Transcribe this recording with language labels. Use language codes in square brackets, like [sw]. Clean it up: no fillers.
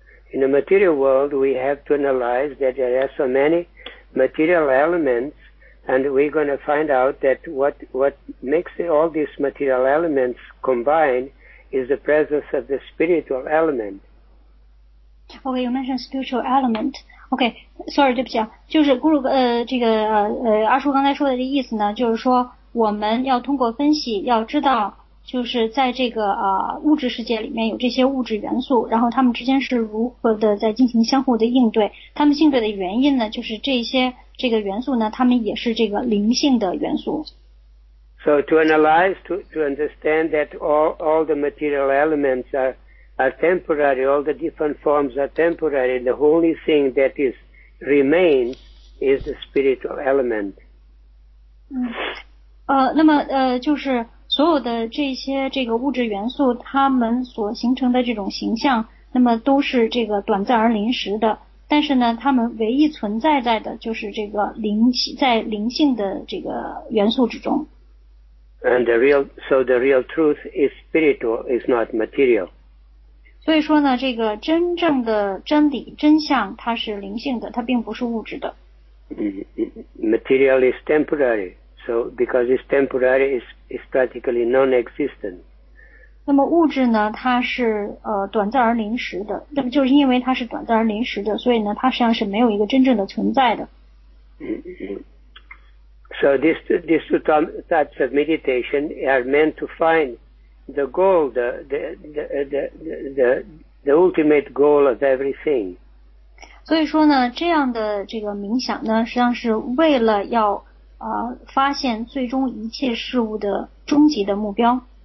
[en] In a material world, we have to analyze that there are so many material elements. And we're going to find out that what makes all these material elements combine is the presence of the spiritual element. Okay, you mentioned spiritual element. Okay, sorry, [zh] 对不起啊，就是咕噜阿叔刚才说的这意思呢，就是说我们要通过分析，要知道就是在这个物质世界里面有这些物质元素，然后它们之间是如何的在进行相互的应对，它们应对的原因呢，就是这些。这个元素呢，它们也是这个灵性的元素。 [en] So to analyze, to understand that all the material elements are temporary, all the different forms are temporary, the only thing that is remains is the spiritual element. [zh] 那么就是所有的这些这个物质元素它们所形成的这种形象，那么都是这个短暂而临时的，但是呢它们唯一存在在的就是这个灵，在灵性的这个元素之中。 [en] And the real, so the real truth is spiritual, is not material. [zh] 所以说呢，这个真正的真理、真相，它是灵性的，它并不是物质的。 [en] Material is temporary, so because it's temporary, it's practically non-existent. [zh] 那么物质呢，它是短暂而临时的，那么就是因为它是短暂而临时的，所以呢，它实际上是没有一个真正的存在的。 [en] So these two types of meditation are meant to find the goal, the ultimate goal of everything. [zh] 所以说呢，这样的这个冥想呢，实际上是为了要发现最终一切事物的终极的目标。